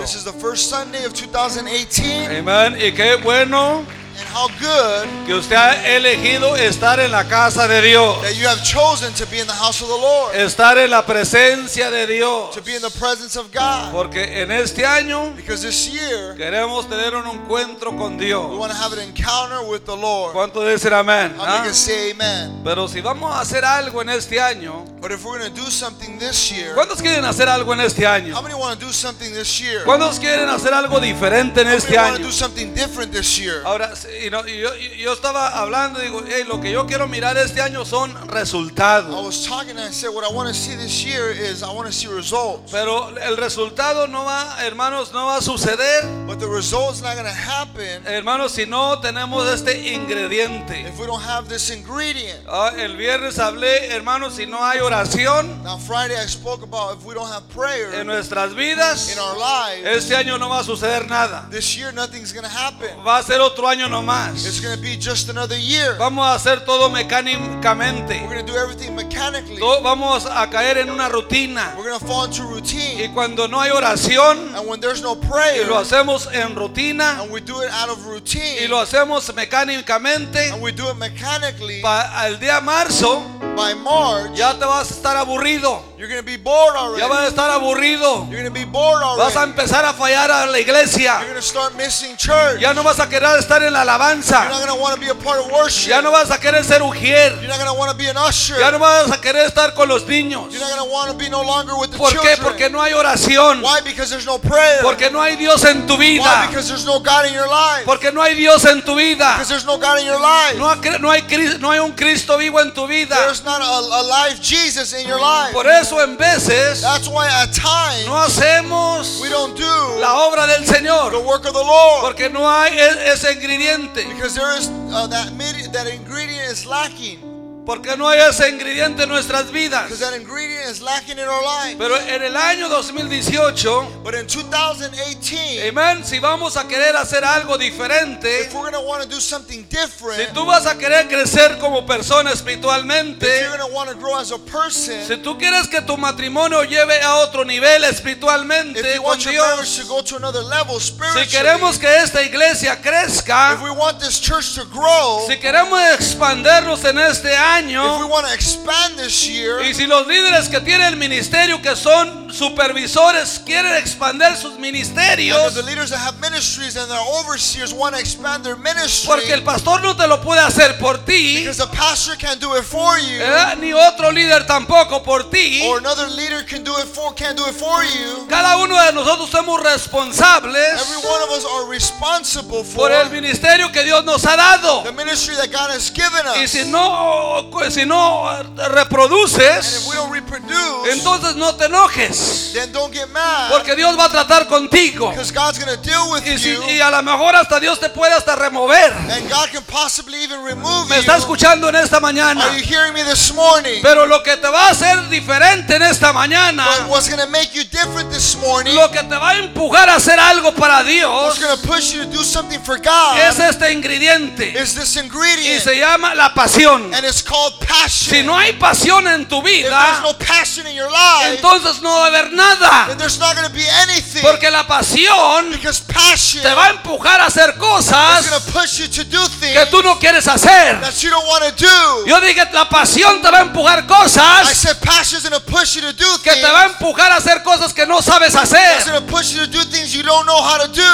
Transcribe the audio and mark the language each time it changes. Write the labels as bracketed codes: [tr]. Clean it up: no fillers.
[en] This is the first Sunday of 2018. [es] Amen. Y qué bueno. [en] And how good. [es] Que usted ha elegido estar en la casa de Dios. [en] That you have chosen to be in the house of the Lord. [es] Estar en la presencia de Dios. [en] To be in the presence of God. [es] Porque en este año. [en] Because this year. [es] Queremos tener un encuentro con Dios. [en] We want to have an encounter with the Lord. [es] ¿Cuánto dicen amén? [en] How many say amen? [es] Pero si vamos a hacer algo en este año. [en] But if we're going to do something this year. [es] ¿Cuántos quieren hacer algo en este año? [en] How many want to do something this year? [es] ¿Cuántos quieren hacer algo diferente en este año? [en] How many want to do something different this year? [es] Ahora, y no, yo estaba hablando y digo, hey, lo que yo quiero mirar este año son resultados. [en] I was talking and I said, what I want to see this year is I want to see results. [es] Pero el resultado no va, hermanos, no va a suceder. [en] But the result's not going to happen. [es] Hermanos, si no tenemos este ingrediente. [en] If we don't have this ingredient. [es] El viernes hablé, hermanos, si no hay oración. [en] Now Friday I spoke about if we don't have prayer. [es] En nuestras vidas. [en] In our lives. [es] Este año no va a suceder nada. [en] This year nothing's going to happen. [es] Va a ser otro año nomás. [en] It's going to be just another year. [es] Vamos a hacer todo mecánicamente. [en] We're going to do everything mechanically. [es] Vamos a caer en una rutina. [en] We're going to fall into routine. [es] Y cuando no hay oración, [en] and when there's no prayer, [es] y lo hacemos en rutina, [en] and we do it out of routine, [es] y lo hacemos mecánicamente, [en] and we do it mechanically, [es] para el día marzo, [en] by March, [es] ya te vas a estar aburrido. [en] You're going to be bored already. [es] Ya vas a estar aburrido. [en] You're going to be bored already. [es] Vas a empezar a fallar a la iglesia. [en] You're going to start missing church. [es] Ya no vas a querer estar en la alabanza. [en] You're not going to want to be a part of worship. [es] Ya no vas a querer ser ujier. [en] You're not going to want to be an usher. [es] Ya no vas a querer estar con los niños. [en] You're not going to want to be no longer with the [es] ¿Por [en] children. [es] ¿Por qué? Porque no hay oración. [en] Why? Because there's no prayer. [es] Porque no hay Dios en tu vida. [en] Why? Because there's no God in your life. [es] Porque no hay Dios en tu vida. [en] Because there's no God in your life. [es] No hay un Cristo vivo en tu vida. [en] There's not a live Jesus in your life. [es] Por eso en veces [en] that's why at times, [es] no hacemos [en] we don't do [es] la obra del Señor [en] the work of the Lord, [es] porque no hay ese ingrediente. [en] Because there is, that ingredient is lacking. [es] Porque no hay ese ingrediente en nuestras vidas. [en] Because that ingredient is lacking in our lives. [es] Pero en el año 2018, [en] but in 2018, [es] amen, si vamos a querer hacer algo diferente, [en] if we're going to want to do something different, [es] si tú vas a querer crecer como persona espiritualmente, [en] if you're going to want to grow as a person, [es] si tú quieres que tu matrimonio lleve a otro nivel espiritualmente, [en] if you want [es] con [en] your [es] Dios, [en] marriage to go to another level spiritually, [es] si queremos que esta iglesia crezca, [en] if we want this church to grow, [es] si queremos expandernos en este año, [en] if we want to expand this year, [es] y si los líderes que tienen el ministerio que son supervisores quieren expandir sus ministerios, [en] the leaders that have ministries and their overseers want to expand their ministry, [es] porque el pastor no te lo puede hacer por ti, [en] because the pastor can't do it for you, [es] ni otro líder tampoco por ti, [en] or another leader can't do it for you. [es] Cada uno de nosotros somos responsables, [en] every one of us are responsible for, [es] por el ministerio que Dios nos ha dado, [en] the ministry that God has given us. [es] Y si no reproduces, [en] and if we don't reproduce, [es] entonces no te enojes. [en] Then don't get mad. [es] Porque Dios va a tratar contigo. [en] Because God's going to deal with you. [es] Y a lo mejor hasta Dios te puede hasta remover. [en] And God can possibly even remove [es] you. ¿Me está escuchando en esta mañana? [en] Are you hearing me this morning? [es] Pero lo que te va a hacer diferente en esta mañana. [en] But what's going to make you different this morning? [es] Lo que te va a empujar a hacer algo para Dios. [en] What's going to push you to do something for God? [es] Es este ingrediente. [en] Is this ingredient? [es] Y se llama la pasión. [en] And it's called passion. [es] Si no hay pasión en tu vida, [en] if there's no passion in your life, [es] entonces no va a haber nada. [en] There's not going to be anything. [es] Porque la pasión, [en] because passion, [es] te va a empujar a hacer cosas, [en] is going to push you to do things [es] que tú no quieres hacer, [en] that you don't want to do. [es] Yo dije, la pasión te va a empujar cosas, [en] I said passion's going to push you to do things, [es] que te va a empujar a hacer cosas que no sabes hacer. [en] That's going to push you to do things you don't know how to do.